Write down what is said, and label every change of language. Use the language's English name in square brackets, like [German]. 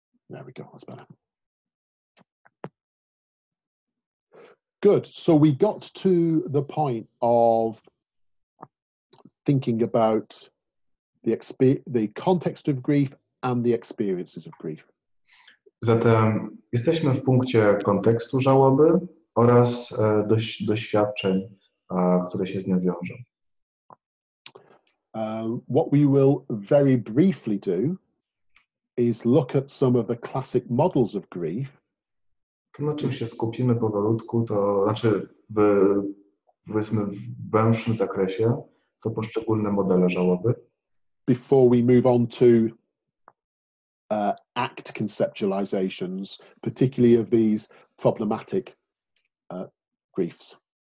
[English] There we go, that's better. Good, so we got to the point of thinking about the context of grief and the experiences of grief. [Polish] Zatem jesteśmy w punkcie kontekstu żałoby oraz doświadczeń, które się z nią wiążą. [English] What we will very briefly do is look at some of the classic models of grief. [Polish] To, na czym się skupimy powolutku, to znaczy w węższym zakresie, to poszczególne modele żałoby. [English] Before we move on to ACT conceptualizations, particularly of these problematic griefs.